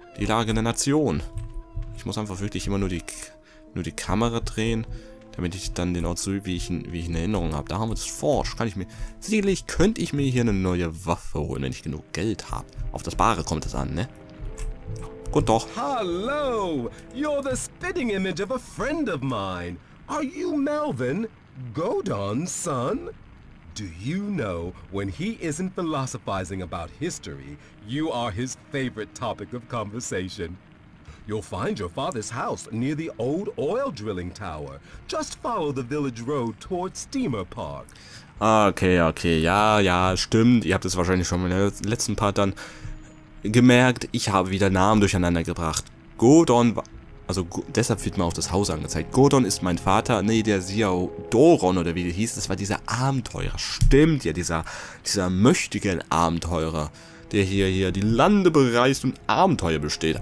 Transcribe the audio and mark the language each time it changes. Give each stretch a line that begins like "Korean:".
German: Die Lage der Nation. Ich muss einfach wirklich immer nur die Kamera drehen, damit ich dann den Ort so, wie ich in Erinnerung habe. Da haben wir das Forge. Sicherlich könnte ich mir hier eine neue Waffe holen, wenn ich genug Geld habe. Auf das Bare kommt es an, ne? Gut doch. Hallo!
English: You're the spitting image of a friend of mine. Are you Melvin? Godon's son? Do you know, when he isn't philosophizing about history, you are his favorite topic of conversation? You'll find your father's house near the old oil drilling tower. Just follow the village road towards Steamer Park.
German: Okay, okay, ja, ja, stimmt. Ihr habt es wahrscheinlich schon in der letzten Part dann gemerkt. Ich habe wieder Namen durcheinander gebracht. Gordon, also deshalb wird mir auch das Haus angezeigt. Gordon ist mein Vater. Nee, der Xiao Doron oder wie der hieß, das war dieser Abenteurer. Stimmt, ja, dieser möchtige Abenteurer, der hier die Lande bereist und Abenteuer besteht.